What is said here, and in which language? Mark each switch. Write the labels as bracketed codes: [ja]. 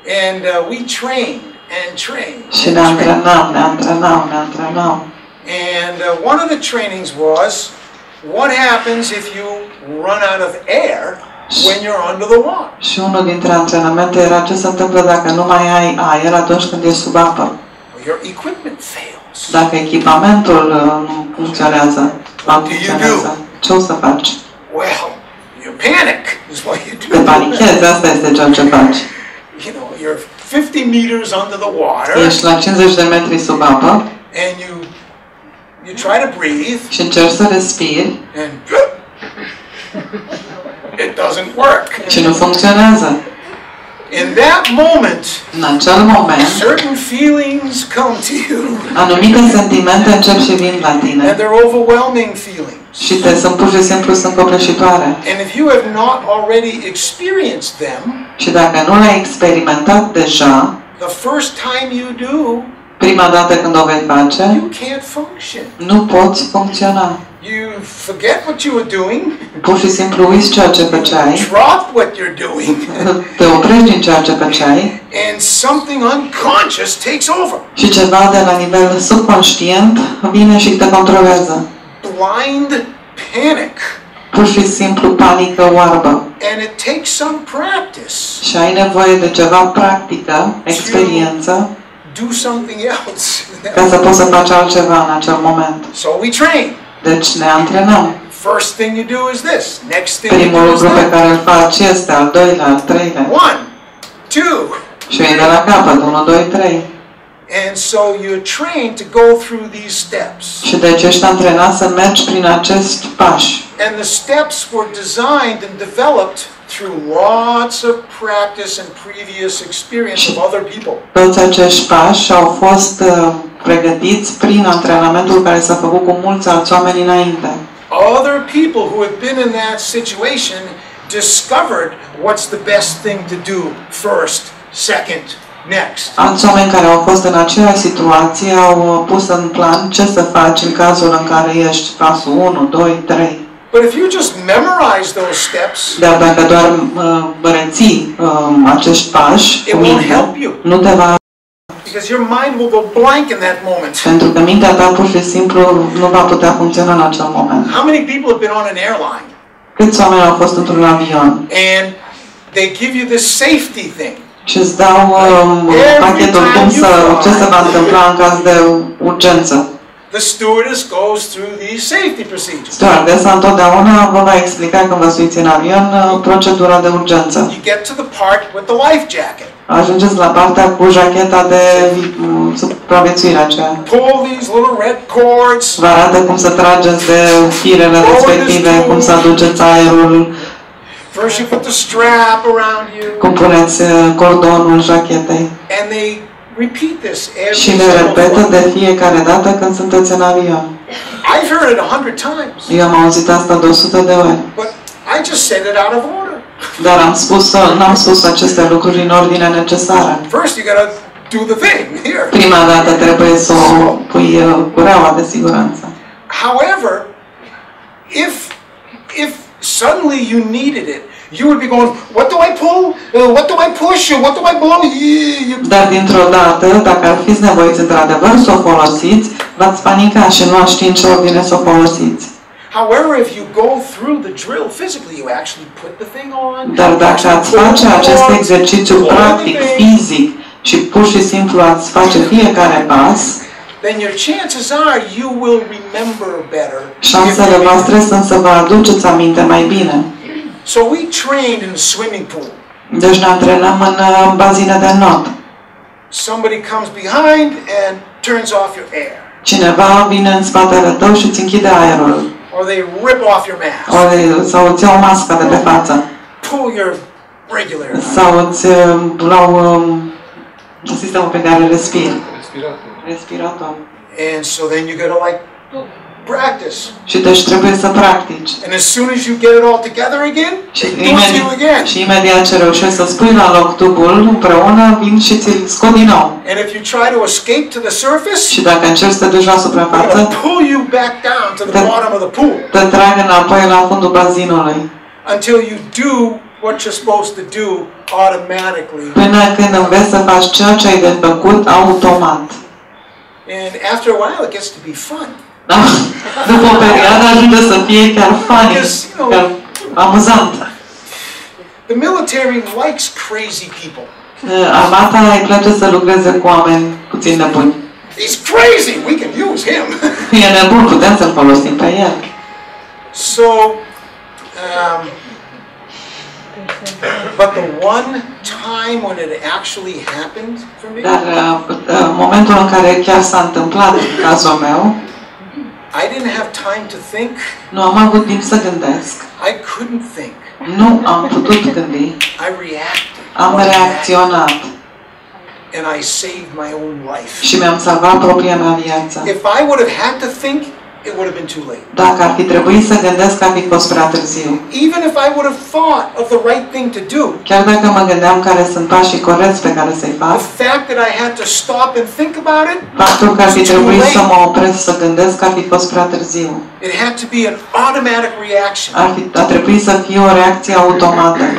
[en] And we trained and trained. [ro] Și ne antrenam, ne antrenam, ne antrenam. [en] And one of the trainings was, what happens if you run out of air when you're under the water? [ro] Și unul dintre antrenamente era ce se întâmplă dacă nu mai ai aer atunci când ești sub apă. [en] Your equipment fails. [ro] Dacă echipamentul nu funcționează, ce o să faci? [en] Well, you panic is what you do. [ro] Te panichezi, asta este ceea ce faci. [en] You know, you're 50 meters under the water. [ro] Ești la 50 de metri sub apă. [en] And you try to breathe. [ro] Și încerci să respiri. [en] And it doesn't work. [ro] Și nu funcționează. [en] In that moment, [ro] în acel moment, [en] certain feelings come to you. [ro] Anumite sentimente încep și vin la tine. [en] And they're overwhelming feelings. [ro] Și te sunt pur și simplu sunt copleșitoare. [en] And if you have not already experienced them, [ro] și dacă nu le-ai experimentat deja, [en] the first time you do, [ro] prima dată când o vei face, [en] you can't function. [ro] Nu poți funcționa. [en] You forget what you were doing. [ro] Pur și simplu uiți ceea ce făceai. [en] Drop what you're doing. [ro] Te oprești din ceea ce făceai. [en] And something unconscious takes over. [ro] Și ceva de la nivel subconștient vine și te controlează. [en] Blind panic. [ro] Pur și simplu panică oarbă. [en] And it takes some practice. [ro] Și ai nevoie de ceva practică, experiență. [en] Do something else. [ro] Ca să poți să faci altceva în acel moment. [en] So we train. [ro] Deci ne antrenăm. [en] First thing you do is this. Next thing. [ro] Primul lucru pe care îl faci este al doilea, al treilea. [en] One, two. [ro] Și vine de la capăt. 1, 2, 3. [en] And so you're trained to go through these steps. [ro] Și deci ești antrenat să mergi prin acest pași. [en] And the steps were designed and developed through lots of practice and previous experience of other people. [ro] Toți acești pași au fost pregătiți prin antrenamentul care s-a făcut cu mulți alți oameni înainte. [en] Other people who had been in that situation discovered what's the best thing to do first, second, next. [ro] Alți oameni care au fost în aceeași situație au pus în plan ce să faci în cazul în care ești pasul 1, 2, 3. [en] But if you just memorize those steps, [ro] dar dacă doar reții acești pași, [en] it won't help you. [ro] Nu te va [en] because your mind will go blank in that moment. [ro] Pentru că mintea ta pur și simplu nu va putea funcționa în acel moment. [en] How many people have been on an airline? [ro] Câți oameni au fost într-un avion? [en] And they give you this safety thing. [ro] Și îți dau pachetul cum să ce se va întâmpla în caz de urgență. [en] The stewardess goes through these safety procedures. [ro] Stewardessa întotdeauna vă va explica când vă suiți în avion procedura de urgență. [en] You get to the part with the life jacket. [ro] Ajungeți la partea cu jacheta de supraviețuire aceea. [en] Pull these little red cords. [ro] Vă arată cum să trageți de firele respective, cum să aduceți aerul. [en] First you put the strap around you. [ro] Cum puneți cordonul jachetei. [en] And they repeat this every [ro] și le repetă de fiecare dată când sunteți în avion. [en] I've heard it 100 times. [ro] Eu am auzit asta de 100 de ori. [en] But I just said it out of order. [ro] Dar n-am spus aceste lucruri în ordine necesară. [en] First you gotta do the thing here. [ro] Prima dată trebuie să o pui cureaua de siguranță. [en] However, if suddenly you needed it, you would be going, what do I pull? What do I push? What do I blow? [ro] Dar dintr-o dată, dacă ar fiți nevoiți într-adevăr să o folosiți, v-ați panica și nu ați ști în ce ordine să o folosiți. [en] However, if you go through the drill physically, you actually put the thing on. [ro] Dar dacă ați face acest exercițiu practic, fizic, și pur și simplu ați face fiecare pas, [en] then your chances are you will remember better. [ro] Șansele voastre sunt să vă aduceți aminte mai bine. [en] So we trained in a swimming pool. [ro] Deci ne antrenăm în bazină de not. [en] Somebody comes behind and turns off your air. [ro] Cineva vine în spatele tău și îți închide aerul. [en] Or they rip off your mask. [ro] Sau îți iau masca de pe față. [en] Pull your regular. [ro] Sau îți luau sistemul pe care respiri. [en] Respirator. And so then you gotta like practice. [ro] Și deci trebuie să practici. [en] And as soon as you get it all together again, [ro] și imediat ce reușești să spui la loc tubul împreună, vin și ți-l scot din nou. [en] And if you try to escape to the surface, [ro] și dacă încerci să te duci la suprafață, [en] pull you back down to the bottom of the pool. [ro] Te trag înapoi la fundul bazinului. [en] Until you do what you're supposed to do automatically. [ro] Până când înveți să faci ceea ce ai de făcut automat. [en] And after a while it gets to be fun. [ro] După o perioadă ajunge să fie chiar [en] funny, [ro] chiar amuzant. [en] The military likes crazy people. [ro] Armata îi place să lucreze cu oameni puțin nebuni. [en] He's crazy, we can use him. [ro] E nebun, putem să-l folosim pe el. [en] So, but the one time when it actually happened for me. [ro] Dar momentul în care chiar s-a întâmplat în cazul meu. [en] I didn't have time to think. [ro] Nu am avut timp să gândesc. [en] I couldn't think. [ro] Nu am putut gândi. [en] I reacted. [ro] Am reacționat. [en] And I saved my own life. [ro] Și mi-am salvat propria mea viață. [en] If I would have had to think, it would have been too late. [ro] Dacă ar fi trebuit să gândesc, ar fi fost prea târziu. [en] Even if I would have thought of the right thing to do. [ro] Chiar dacă mă gândeam care sunt pașii corecți pe care să-i fac. [en] The fact that I had to stop and think about it. [ro] Faptul că ar fi trebuit să mă opresc să gândesc, ar fi fost prea târziu. [en] It had to be an automatic reaction. [ro] A trebuit să fie o reacție automată.